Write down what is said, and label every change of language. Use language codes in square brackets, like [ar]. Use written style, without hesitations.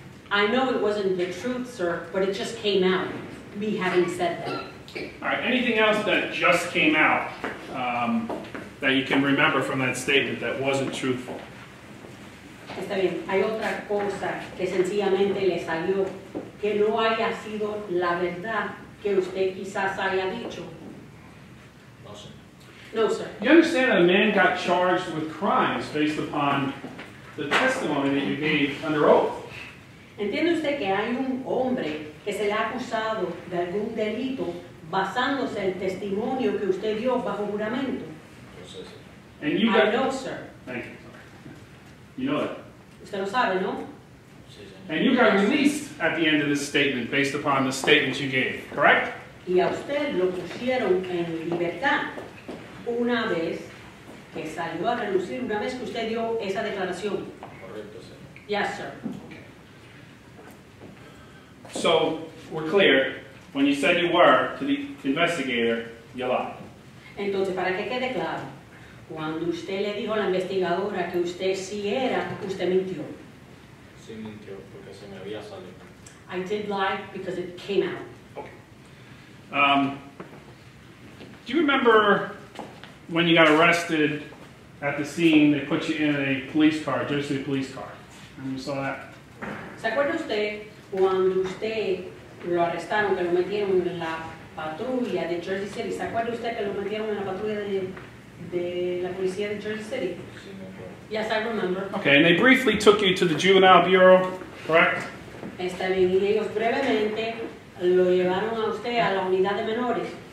[en] I know it wasn't the truth, sir, but it just came out, me having said that. All right, anything else that just came out that you can remember from that statement that wasn't truthful? [es] Está bien. Hay otra cosa que sencillamente le salió que no haya sido la verdad que usted quizás haya dicho. [en] No, sir. No, sir. You understand that a man got charged with crimes based upon the testimony that you gave under oath. [es] Entiende usted que hay un hombre que se le ha acusado de algún delito basándose en el testimonio que usted dio bajo juramento. [en] And you got, I know, sir. Thank you. You know that. [es] Usted lo sabe, ¿no? [en] And you got released at the end of this statement based upon the statements you gave, correct? [es] Y a usted lo pusieron en libertad una vez que salió a relucir, una vez que usted dio esa declaración. Correcto, sir. [en] Yes, sir. Okay. So, we're clear. When you said you were, to the investigator, you lied. [es] Entonces, para que quede claro, cuando usted le dijo a la investigadora que usted sí era, usted mintió. Sí, mintió, porque se me había salido. [en] I did lie because it came out. Okay. Do you remember when you got arrested at the scene, they put you in a police car, Jersey police car? And you saw that? [es] ¿Se acuerda usted cuando usted lo arrestaron, que lo metieron en la patrulla de Jersey City? ¿Se acuerda usted que lo metieron en la patrulla de la policía de Jersey City? [en] Yes, I remember. Okay, and they briefly took you to the Juvenile Bureau, correct? [es] Está bien, y ellos brevemente lo llevaron a usted a la unidad de menores.